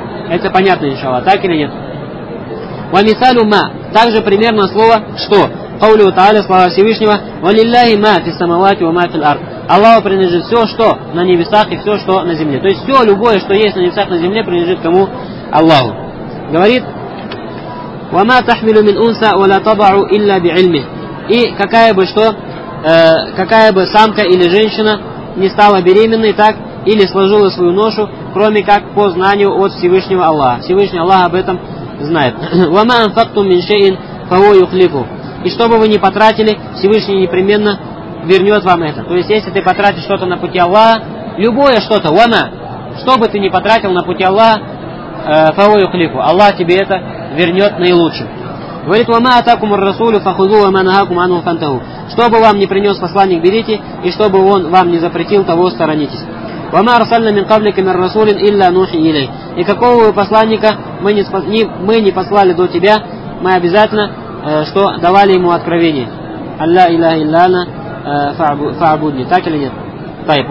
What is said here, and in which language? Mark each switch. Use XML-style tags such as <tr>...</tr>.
<ru>Это понятно, иншаллах, так или нет?</ru> <ar>وَمِثَالُ مَا.</ar> <ru>Также примерно слово «что».</ru> <ar>قَوْلُهُ تَعَالَى.</ar> <ru>Слова Всевышнего.</ru> <ar>وَلِلَّهِ مَا فِي السَّمَوَاتِ وَمَا فِي الْأَرْضِ.</ar> <ru>Аллаху принадлежит все, что на небесах и все, что на земле. То есть все, любое, что есть на небесах, на земле, принадлежит кому? Аллаху. Говорит:</ru> <ar>وَمَا تَحْمِلُ مِنْ أُنْثَى وَلَا تَضَعُ إِلَّا بِعِلْمِهِ.</ar> <ru>И какая бы что, какая бы самка или женщина не стала беременной, так или сложила свою ношу, кроме как по знанию от Всевышнего Аллаха. Всевышний Аллах об этом знает.</ru> <ar>وَمَا أَنْفَقْتُمْ مِنْ شَيْءٍ فَهُوَ يُخْلِفُهُ.</ar> <ru>И что бы вы ни потратили, Всевышний непременно вернет вам это. То есть, если ты потратишь что-то на пути Аллаха, любое что-то, وَمَا, что бы ты ни потратил на пути Аллаха,</ru> <ar>فَهُوَ يُخْلِفُهُ,</ar> <ru>Аллах тебе это вернет наилучшим. Говорит:</ru> <ar>وَمَا أَتَاكُمُ الرَّسُولُ فَخُذُوهُ وَمَا نَهَاكُمْ عَنْهُ فَانْتَهُوا.</ar> <ru>Что бы вам ни принес посланник, берите, и что бы он вам ни запретил, того сторонитесь.</ru> <ar>وَمَا أَرْسَلْنَا مِنْ قَبْلِكَ مِنْ رَسُولٍ إِلَّا نُوحِي إِلَيْهِ.</ar> <ru>И какого бы посланника мы не послали до тебя, мы обязательно, что давали ему откровение.</ru> <ar>أَلَّا إِلَّا إِلَّا نَا فَعْبُدْنِ.</ar> <ru>Так или нет?</ru> <ar>طيب.</ar>